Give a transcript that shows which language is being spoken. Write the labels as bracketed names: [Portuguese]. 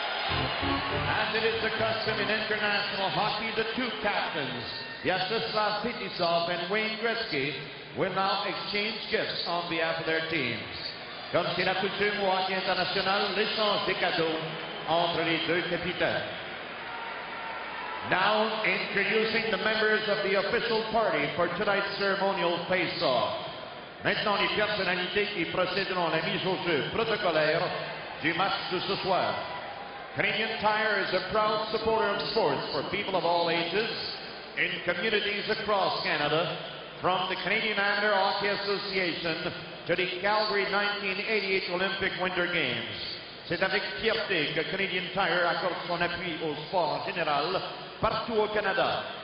[English] As it is the custom in international hockey, the two captains, Vyacheslav Petisov and Wayne Gretzky, will now exchange gifts on behalf of their teams. [French] Comme c'est la coutume au hockey international, l'échange des cadeaux entre les deux capitaines. [English] Now introducing the members of the official party for tonight's ceremonial face-off. [French] Maintenant, les personnalités qui procéderont à la mise au jeu protocolaire du match de ce soir. [English] Canadian Tire is a proud supporter of sports for people of all ages in communities across Canada, from the Canadian Amateur Hockey Association to the Calgary 1988 Olympic Winter Games. [French] C'est avec fierté que Canadian Tire accorde son appui au sport en général partout au Canada.